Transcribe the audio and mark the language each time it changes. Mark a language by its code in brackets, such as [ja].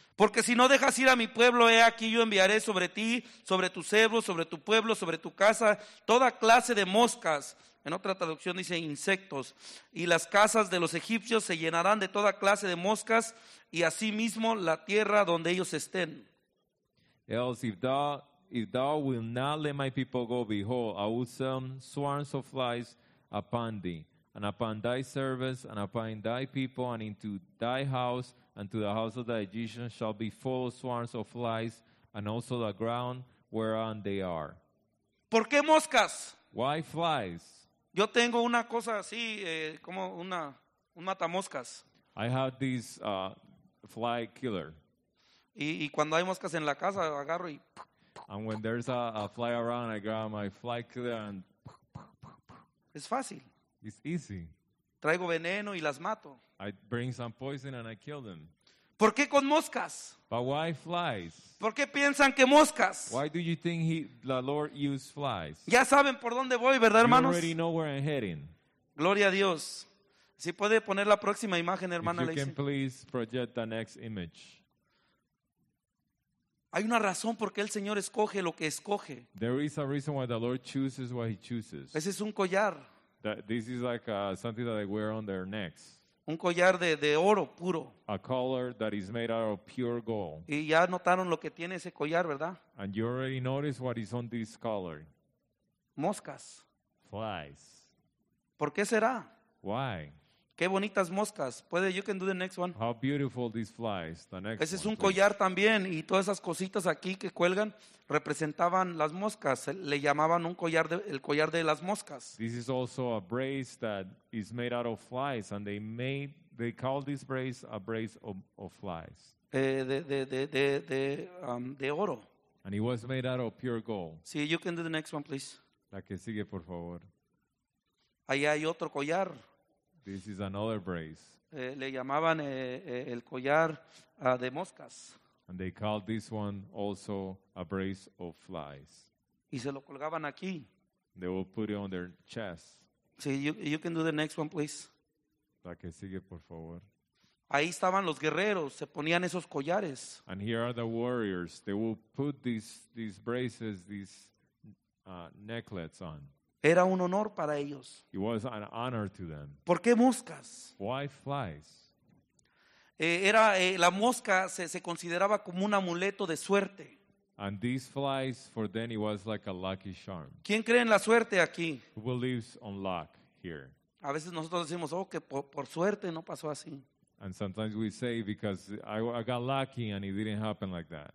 [es] Porque si no dejas ir a mi pueblo, he aquí yo enviaré sobre ti, sobre tus siervos, sobre tu pueblo, sobre tu casa, toda clase de moscas. En otra traducción dice insectos. Y las casas de los egipcios se llenarán de toda clase de moscas, y asimismo la tierra donde ellos estén. [en] Else if thou will not let my people go, behold, I will send swarms of flies upon thee, and upon thy servants, and upon thy people, and into thy house, and to the house of the Egyptians shall be full of swarms of flies, and also the ground whereon they are. [es] ¿Por qué moscas? [en] Why flies? [es] Yo tengo una cosa así, como un matamoscas. [en] I have this fly killer. [es] Y cuando hay moscas en la casa, agarro y... [en] And when there's a fly around, I grab my fly killer and... [es] Es fácil. [en] It's easy. [es] Traigo veneno y las mato. [en] I bring some poison and I kill them. [es] ¿Por qué con moscas? [en] But why flies? [es] ¿Por qué piensan que moscas? [en] Why do you think the Lord used flies? [es] Ya saben por dónde voy, ¿verdad, hermanos? [en] You already know where I'm heading. [es] Gloria a Dios. Si puede poner la próxima imagen, hermana Lacey. [en] If you can please project the next image. [es] Hay una razón por qué el Señor escoge lo que escoge. [en] There is a reason why the Lord chooses what he chooses. [es] Ese es un collar. [en] This is like something that they wear on their necks. [es] Un collar de oro puro. [en] A collar that is made out of pure gold. [es] Y ya notaron lo que tiene ese collar, ¿verdad? [en] And you already noticed what is on this collar. [es] Moscas. [en] Flies. [es] ¿Por qué será? [en] Why? [es] Qué bonitas moscas. Puede, [en] you can do the next one. How beautiful these flies. The next [es] ese [en] one, [es] es un collar también. Y todas esas cositas aquí que cuelgan representaban las moscas. Le llamaban un collar el collar de las moscas. [en] This is also a brace that is made out of flies. And they call this brace a brace of flies. [es] De oro. [en] And it was made out of pure gold. [es] Sí, [en] you can do the next one, please. [es] La que sigue, por favor. Ahí hay otro collar. [en] This is another brace. [es] Le llamaban el collar de moscas. [en] And they called this one also a brace of flies. [es] Y se lo colgaban aquí. [en] They will put it on their chest. [es] Sí, [en] you can do the next one, please. [es] La que sigue, por favor. Ahí estaban los guerreros, se ponían esos collares. [en] And here are the warriors. They will put these braces, these necklets on. [es] Era un honor para ellos. [en] It was an honor to them. [es] ¿Por qué moscas? [en] Why flies? [es] La mosca se consideraba como un amuleto de suerte. [en] And these flies, for them, it was like a lucky charm. [es] ¿Quién cree en la suerte aquí? [en] Who believes on luck here? [es] A veces nosotros decimos, oh, que por suerte no pasó así. [en] And sometimes we say, because I got lucky and it didn't happen like that.